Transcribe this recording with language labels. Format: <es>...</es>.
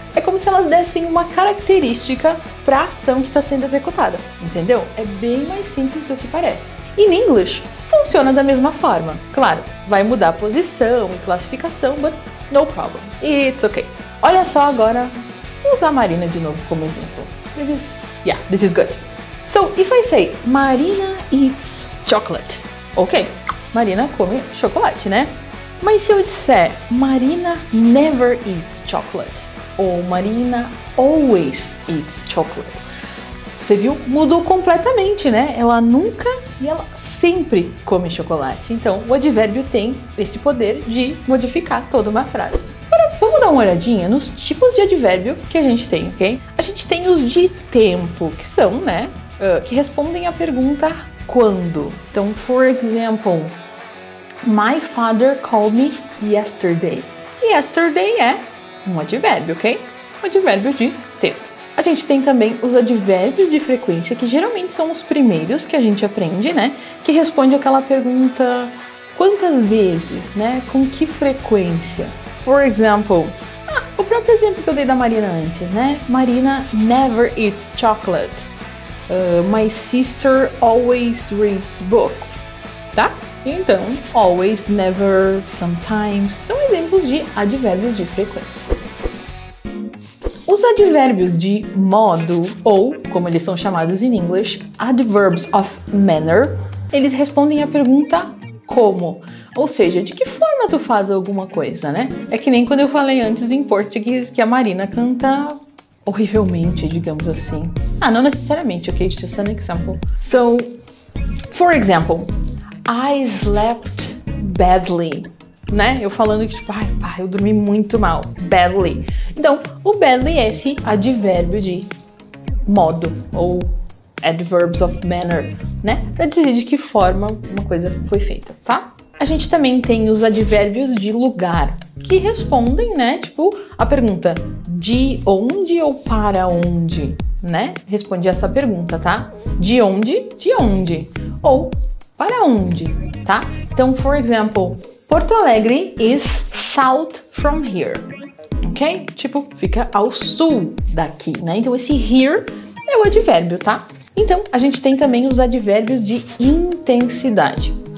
<pt>É como se elas dessem uma característica para a ação que está sendo executada, entendeu? É bem mais simples do que parece. In English, funciona da mesma forma. Claro, vai mudar a posição e classificação,</pt> <en>but no problem. It's okay.</en> <pt>Olha só agora, vou usar a Marina de novo como exemplo.</pt> <en>This is good. So, if I say, Marina eats chocolate.</en> <pt>Ok, Marina come chocolate, né? Mas se eu disser,</pt> <en>Marina never eats chocolate,</en> <pt>ou</pt> <en>Marina always eats chocolate,</en> <pt>você viu? Mudou completamente, né? Ela nunca e ela sempre come chocolate. Então, o advérbio tem esse poder de modificar toda uma frase. Agora, vamos dar uma olhadinha nos tipos de advérbio que a gente tem, ok? A gente tem os de tempo, que são, né, que respondem à pergunta quando.</pt> <en>Então, for example, my father called me yesterday.</en> <pt>Yesterday é um advérbio, ok? Um advérbio de tempo. A gente tem também os advérbios de frequência, que geralmente são os primeiros que a gente aprende, né? Que responde aquela pergunta quantas vezes, né? Com que frequência?</pt> <en>For example,</en> <pt>o próprio exemplo que eu dei da Marina antes, né?</pt> <en>Marina never eats chocolate. My sister always reads books, tá?</en> <pt>Então, always, never, sometimes, são exemplos de advérbios de frequência. Os advérbios de modo, ou como eles são chamados in English,</pt> <en>adverbs of manner,</en> <pt>eles respondem à pergunta como, ou seja, de que forma tu faz alguma coisa, né? É que nem quando eu falei antes em português que a Marina canta horrivelmente, digamos assim. Ah, não necessariamente, ok?</pt> <en>Just an example. So, for example, I slept badly, né?</en> <pt>Eu falando que tipo, ai, pai, eu dormi muito mal, badly. Então, o badly é esse advérbio de modo, ou</pt> <en>adverbs of manner,</en> <pt>né? Pra dizer de que forma uma coisa foi feita, tá? A gente também tem os advérbios de lugar, que respondem, né, tipo, a pergunta de onde ou para onde, né? Responde essa pergunta, tá? De onde, ou para onde, tá?</pt> <en>Então, for example, Porto Alegre is south from here, ok?</en> <pt>Tipo, fica ao sul daqui, né? Então, esse here é o advérbio, tá? Então, a gente tem também os advérbios de intensidade.</pt>